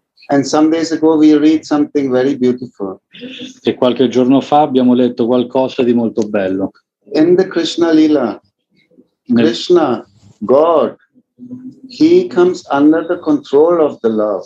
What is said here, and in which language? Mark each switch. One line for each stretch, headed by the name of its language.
English: And some days ago we read something very beautiful.
Italian: E qualche giorno fa abbiamo letto qualcosa di molto bello.
English: In the Krishna Lila, Krishna, God, he comes under the control of the love.